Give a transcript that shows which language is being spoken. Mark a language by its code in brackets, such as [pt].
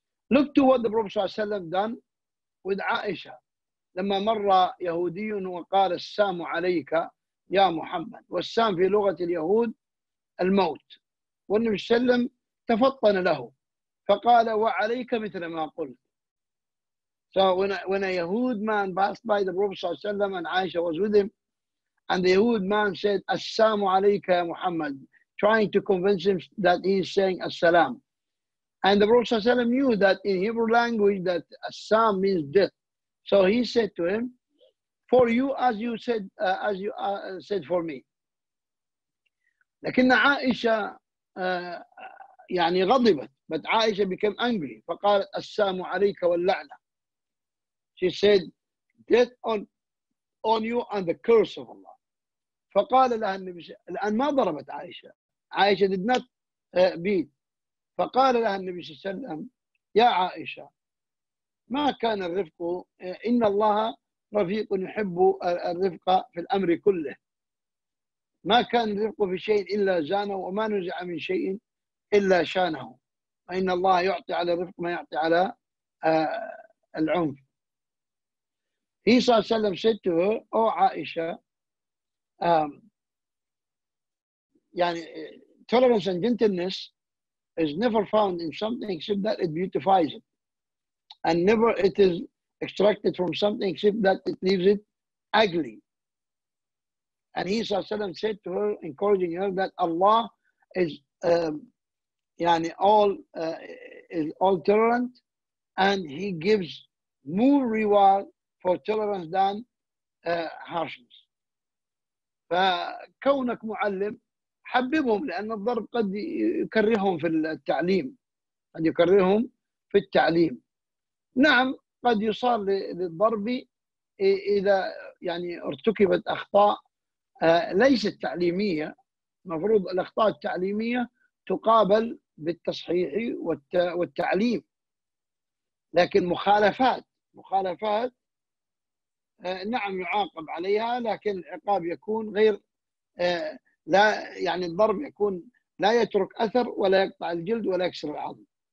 [en] Look to what the Prophet صلى الله عليه وسلم done with Aisha. [ar] لما مر يهودي وقال السلام عليك يا محمد, والسلام في لغة اليهود الموت. والنبي صلى الله عليه وسلم تفطن له فقال وعليك مثل ما قلت. [en] So when a Yahud man passed by the Prophet صلى الله عليه وسلم and Aisha was with him, and the Yahud man said Assalamu alayka ya Muhammad, trying to convince him that he is saying Assalam. And the Prophet صلى الله عليه وسلم knew that in Hebrew language that Assam means death. So he said to him, for you as you said as you said for me. [ar] لكن عائشة يعني غضبت, [en] but Aisha became angry. [ar] فقالت السلام عليك واللعنة. [en] She said, death on you and the curse of Allah. [ar] فقال لها النبي الآن ما ضربت عائشة. [en] عائشة did not beat. [ar] فقال لها النبي صلى الله عليه وسلم يا عائشة ما كان الرفق, إن الله رفيق يحب الرفق في الأمر كله, ما كان الرفق في شيء إلا زانه وما نزع من شيء إلا شانه, وإن الله يعطي على الرفق ما يعطي على العنف. [en] He صلى الله عليه وسلم said to her, oh Aisha, يعني tolerance and gentleness is never found in something except that it beautifies it, and never it is extracted from something except that it leaves it ugly. And he صلى الله عليه وسلم said to her, encouraging her, that Allah is يعني all tolerant, and he gives more reward for tolerance than harshness. [ar] فكونك معلم حببهم, لأن الضرب قد يكرههم في التعليم, قد يكرههم في التعليم. نعم قد يصار للضرب إذا يعني ارتكبت أخطاء ليست تعليمية, مفروض الأخطاء التعليمية تقابل بالتصحيح والتعليم, لكن مخالفات نعم يعاقب عليها, لكن العقاب يكون غير لا يعني الضرب يكون لا يترك أثر ولا يقطع الجلد ولا يكسر العظم.